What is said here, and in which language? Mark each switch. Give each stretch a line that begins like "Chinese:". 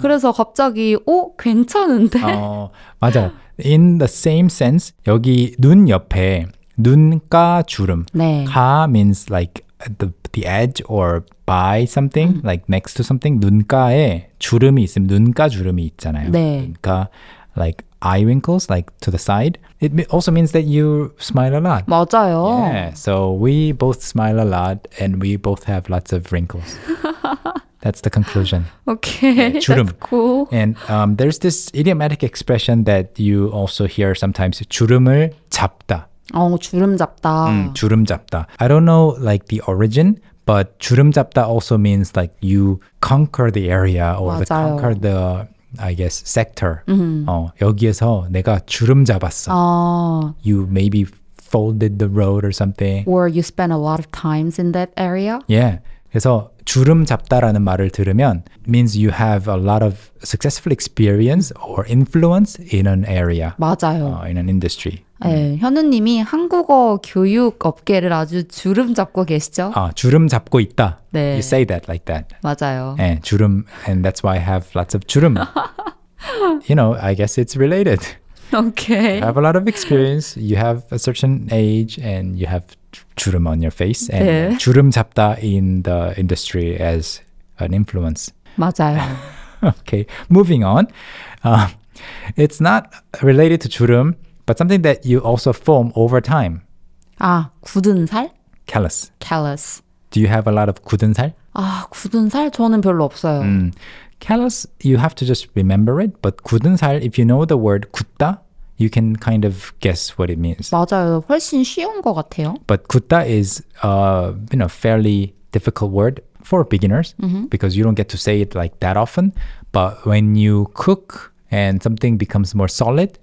Korean: 그래서 갑자기 오 괜찮은데. 어, 맞아.
English: In the same sense,
Korean: 여기 눈 옆에 눈가 주름. 네.
English: 가 means like the edge or by something, like next to something.
Korean: 눈가에 주름이 있으면 눈가 주름이 있잖아요. 네.
English: 눈가 like eye wrinkles, like to the side. It also means that you smile a lot.
Korean: 맞아요.
English: Yeah, so we both smile a lot and we both have lots of wrinkles. That's the conclusion. Okay, yeah,
Korean: 주름.
English: That's cool. And there's this idiomatic expression that you also hear sometimes, 주름을 잡다.
Korean: 어, 주름 잡다. 주름 잡다.
English: I don't know like the origin, but 주름 잡다 also means like you conquer the area or the conquer the, I guess, sector.
Korean: 어, 여기에서 내가 주름 잡았어. 어.
English: You maybe folded the road or something. Or you spend a lot of times in that area. Yeah.
Korean: 그래서 주름 잡다라는 말을 들으면
English: means you have a lot of successful experience or influence in an area.
Korean: 맞아요.
English: In an industry.
Korean: 네, 현우님이 한국어 교육 업계를 아주 주름 잡고 계시죠? 아, 주름 잡고 있다. 네.
English: You say that like that.
Korean: 맞아요.
English: 네, 주름, and that's why I have lots of 주름. You know, I guess it's related. Okay. You have a lot of experience, you have a certain age, and you have 주름 on your face. And
Korean: 네.
English: 주름 잡다 in the industry as an influence.
Korean: 맞아요.
English: Okay, moving on. It's not related to 주름. But something that you also form over time.
Korean: 아, 굳은 살?
English: Callus. Callus. Do you have a lot of 굳은 살?
Korean: 아, 굳은 살 저는 별로 없어요.
English: Callus, you have to just remember it. But 굳은 살, if you know the word 굳다, you can kind of guess what it means.
Korean: 맞아요. 훨씬 쉬운 것 같아요.
English: But 굳다 is you know, fairly difficult word for beginners because you don't get to say it like that often. But when you cook and something becomes more solid,